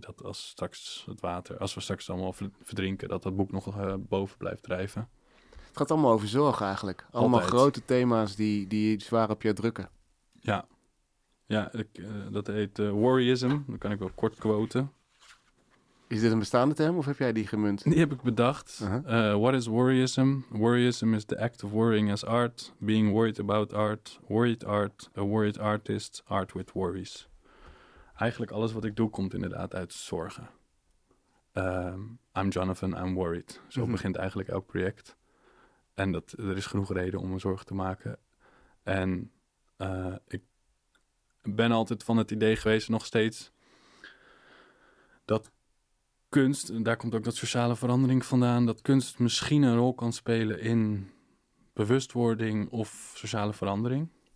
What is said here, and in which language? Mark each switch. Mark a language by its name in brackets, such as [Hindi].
[Dutch] Dat als straks het water, als we straks allemaal verdrinken, dat boek nog boven blijft drijven. Het gaat allemaal over zorg eigenlijk. Allemaal altijd grote thema's die zwaar op je drukken. Ja, ja, dat heet worryism. Dan kan ik wel kort quoten. Is dit een bestaande term of heb jij die gemunt? Die heb ik bedacht. Uh-huh. [English] What is worryism? Worryism is the act of worrying as art, being worried about art, worried art, a worried artist, art with worries. [Dutch] Eigenlijk alles wat ik doe komt inderdaad uit zorgen. [English] I'm Jonathan, I'm worried. [Dutch] Zo begint eigenlijk elk project. En er is genoeg reden om me zorgen te maken. En ik ben altijd van het idee geweest, nog steeds, dat kunst, daar komt ook dat sociale verandering vandaan, dat kunst misschien een rol kan spelen in bewustwording of sociale verandering.